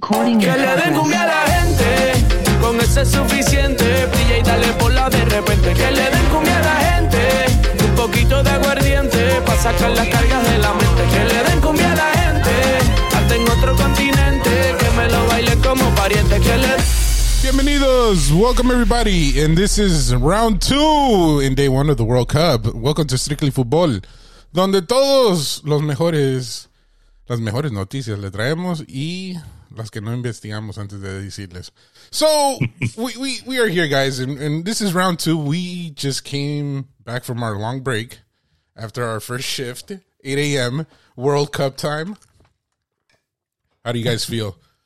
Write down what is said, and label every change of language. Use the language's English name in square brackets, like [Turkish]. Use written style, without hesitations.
[Spanish] Que le den cumbia a la gente, con eso es suficiente. Brilla y dale por la de repente. Que le den cumbia a la gente, un poquito de aguardiente para sacar las cargas de la mente. Que le den cumbia a la gente, hasta en otro continente, que me lo baile como pariente. Que le den. [English] Bienvenidos, welcome everybody, and this is round two in day one of the World Cup. Welcome to Strictly Football, [Spanish] donde todos los mejores, las mejores noticias le traemos y las que no investigamos antes de decirles. [English] So, we are here, guys, and this is round two. We just came back from our long break after our first shift, 8 a.m. World Cup time. How do you guys feel?